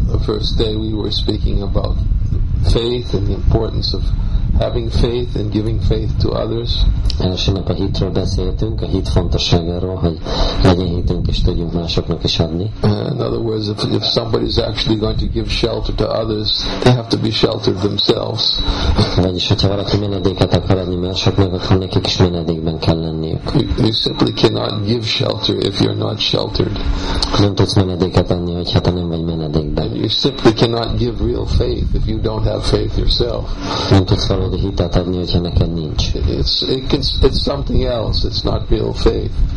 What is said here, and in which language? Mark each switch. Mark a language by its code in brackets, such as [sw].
[en] The first day we were speaking about faith and the importance of having faith and giving faith to others. [hu] Első nap a hitről beszéltünk, a hit fontosságáról, hogy legyen hitünk és tudjunk másoknak is adni. [en] In other words, if somebody is actually going to give shelter to others, they have to be sheltered themselves. [hu] Vagyis, hogyha valaki menedéket akar adni másoknak, akkor nekik is menedékben kell lenniük. [en] You simply cannot give shelter if you're not sheltered. [hu] Nem tudsz menedéket adni, hogyha te nem vagy menedékben. [en] You simply cannot give real faith if you don't have faith yourself. It's something else. It's not real faith.